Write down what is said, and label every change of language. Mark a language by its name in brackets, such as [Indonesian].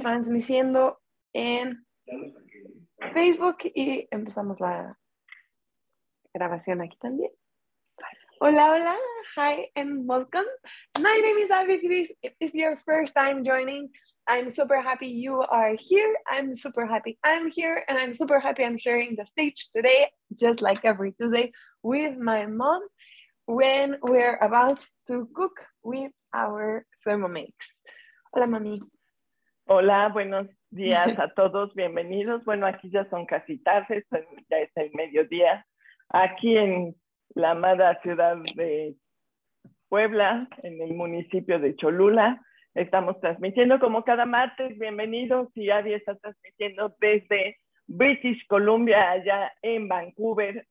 [Spanish] transmitiendo en Facebook y empezamos la grabación aquí también. Hola, hola, [English] hi and welcome. My name is Abby. If this is your first time joining, I'm super happy you are here. I'm super happy I'm here and I'm super happy I'm sharing the stage today, just like every Tuesday, with my mom when we're about to cook with our Thermomix. [Spanish] Hola, mami. Hola, buenos días a todos, bienvenidos. Bueno, aquí ya son casi tarde, ya es el mediodía, aquí en la amada ciudad de Puebla, en el municipio de Cholula. Estamos transmitiendo como cada martes, bienvenidos. Y Abby está transmitiendo desde British Columbia, allá en Vancouver.